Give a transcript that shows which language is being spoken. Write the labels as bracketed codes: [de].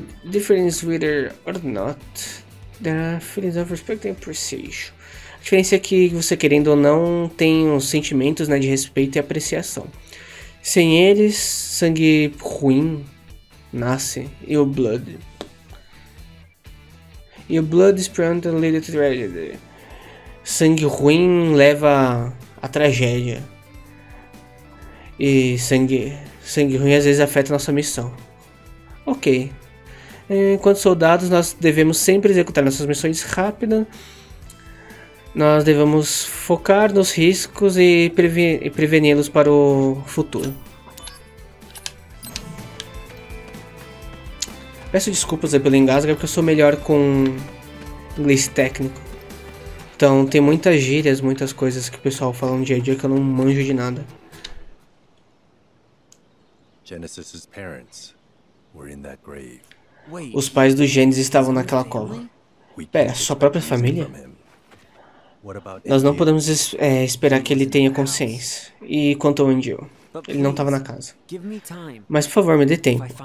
[en] difference whether or not there are feelings of respect and appreciation. [pt] A diferença é que você, querendo ou não, tem os sentimentos, né, de respeito e apreciação. Sem eles, sangue ruim nasce. E o blood. [en] E o blood is prone to lead to tragedy. [pt] Sangue ruim leva a tragédia. E sangue ruim às vezes afeta nossa missão. Ok. Enquanto soldados, nós devemos sempre executar nossas missões rápidas. Nós devemos focar nos riscos e preveni-los para o futuro. Peço desculpas aí pelo engasgo, porque eu sou melhor com inglês técnico. Então tem muitas gírias, muitas coisas que o pessoal fala no dia a dia que eu não manjo de nada. [en] Genesis's parents were in that grave. [pt] Os pais do Gênesis estavam naquela cova. Pera, sua própria família? Nós não podemos esperar que ele tenha consciência. E quanto ao Angel? Ele não estava na casa. Mas por favor, me dê tempo.